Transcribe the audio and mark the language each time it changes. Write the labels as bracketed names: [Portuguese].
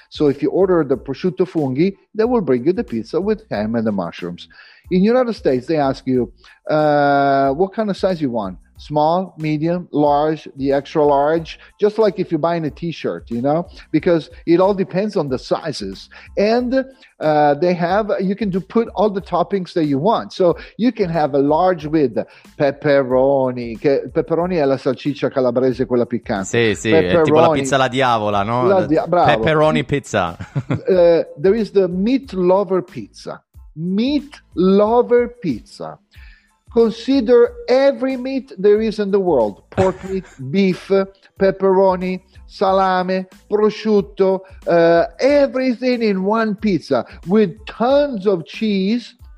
[English] So if you order the prosciutto funghi, they will bring you the pizza with ham and the mushrooms. In the United States, they ask you, what kind of size you want? small, medium, large, the extra large, just like if you're buying a t-shirt, you know, because it all depends on the sizes. And they have, you can do put all the toppings that you want. So you can have a large with pepperoni, [Italian] che pepperoni è la salsiccia calabrese, quella piccante. Sì, sì, pepperoni. È tipo la pizza alla diavola, no? Bravo. [English] Pepperoni pizza. there is the meat lover pizza. Meat lover pizza. Consider every meat there is in the world. Pork meat, beef, pepperoni, salame, prosciutto, everything in one pizza with tons of cheese.